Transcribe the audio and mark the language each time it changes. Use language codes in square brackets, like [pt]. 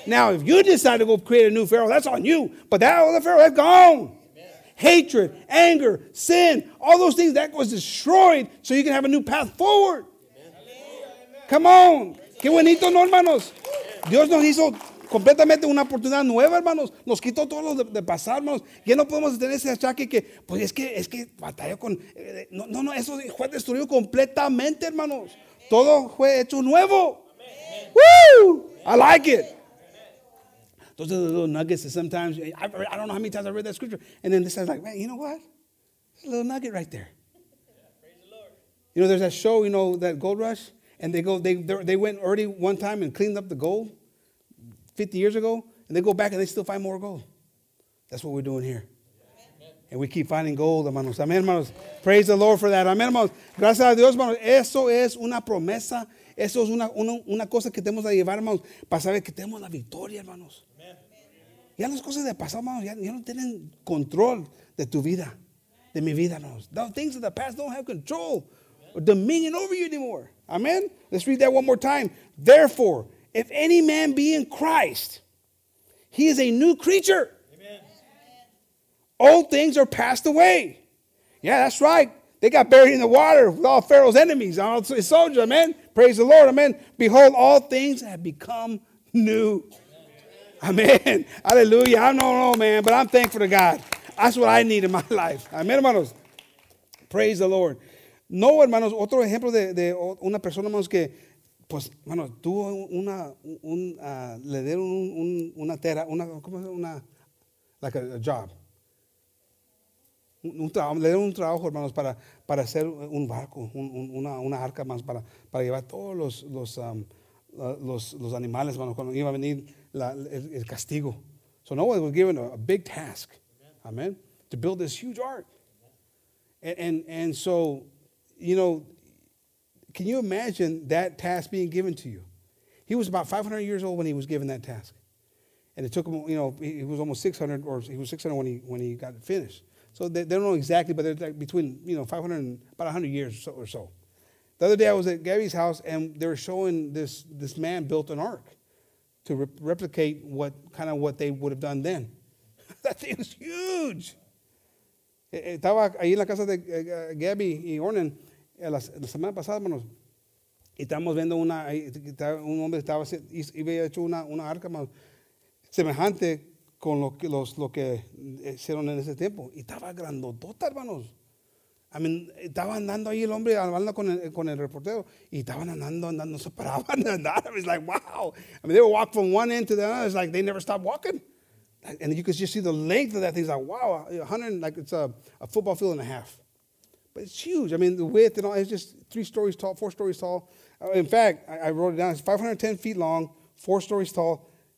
[en] Now, if you decide to go create a new Pharaoh, that's on you. But that other Pharaoh is gone. Hatred, anger, sin, all those things, that was destroyed so you can have a new path forward. Amen. Come on. [es] Qué bonito, no, hermanos. Dios nos hizo completamente una oportunidad nueva, hermanos. Nos quitó todo lo de pasar, hermanos. Ya no podemos tener ese achaque que, pues es que batalló con. No, eso fue destruido completamente, hermanos. Todo fue hecho nuevo. ¡Woo! [en] I like it. Those are the little nuggets that sometimes, I don't know how many times I read that scripture. And then this guy's like, man, you know what? There's a little nugget right there. You know, there's that show, you know, that Gold Rush. And they go, they went already one time and cleaned up the gold 50 years ago. And they go back and they still find more gold. That's what we're doing here. And we keep finding gold, hermanos. Amen, hermanos. Praise the Lord for that. Amen, hermanos. [es] Gracias a Dios, hermanos. Eso es una promesa. Eso es una cosa que tenemos a llevar, hermanos, para saber que tenemos la victoria, hermanos. Ya las cosas de pasado, hermanos, ya no tienen control de tu vida, de mi vida, hermanos. [en] The things of the past don't have control or dominion over you anymore. Amen? Let's read that one more time. Therefore, if any man be in Christ, he is a new creature. Amen. Old things are passed away. Yeah, that's right. They got buried in the water with all Pharaoh's enemies, all his soldiers, amen? Praise the Lord, amen? Behold, all things have become new. Amen. Hallelujah. I don't know, man, but I'm thankful to God. That's what I need in my life. Amen, hermanos. Praise the Lord. [es] No, hermanos, otro ejemplo de una persona, hermanos, que, pues, hermanos, tuvo le dieron una tera, una, ¿cómo es? Una, [en] like a job. [es] Le dieron un trabajo, hermanos, para hacer un barco, una arca, hermanos, para llevar todos los animales, hermanos, cuando iba a venir el castigo. [en] So Noah was given a big task, amen, to build this huge ark. And so, you know, can you imagine that task being given to you? He was about 500 years old when he was given that task. And it took him, you know, he was almost 600, or he was 600 when he got it finished. So they don't know exactly, but they're like between, you know, 500 and about 100 years or so. The other day I was at Gary's house, and they were showing this man built an ark to replicate what they would have done then. That thing was huge. [es] Estaba ahí en la casa de Gabby y Ornan la semana pasada, hermanos. Y estábamos viendo un hombre estaba hecho una arca más semejante con lo que hicieron en ese tiempo. Y estaba grandotota, hermanos. [en] I mean, [es] estaba andando ahí el hombre hablando con el reportero y estaban andando, se paraban de andar. [en] I was like, wow. I mean, they would walk from one end to the other. It's like they never stopped walking. And you could just see the length of that thing. It's like, wow, 100, like it's a football field and a half. But it's huge. I mean, the width and all, it's just three stories tall, four stories tall. In fact, I wrote it down. It's 510 feet long, four stories tall.